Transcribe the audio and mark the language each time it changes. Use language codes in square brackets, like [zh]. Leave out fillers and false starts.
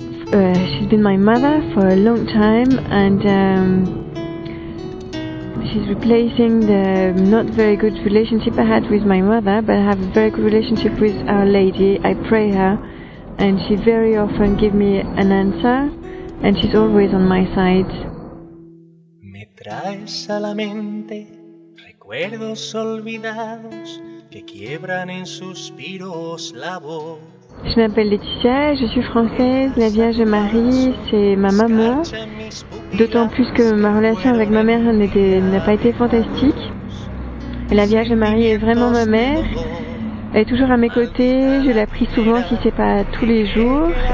[en] She's been my mother for a long time, and she's replacing the not very good relationship I had with my mother, but I have a very good relationship with Our Lady. I pray her, and she very often gives me an answer, and she's always on my side. [es] Me traes a la mente recuerdos olvidados que quiebran en suspiros la voz. [fr] Je m'appelle Laetitia, je suis française, la Vierge Marie, c'est ma maman. D'autant plus que ma relation avec ma mère n'a pas été fantastique. Et la Vierge Marie est vraiment ma mère. Elle est toujours à mes côtés, je la prie souvent si c'est pas tous les jours.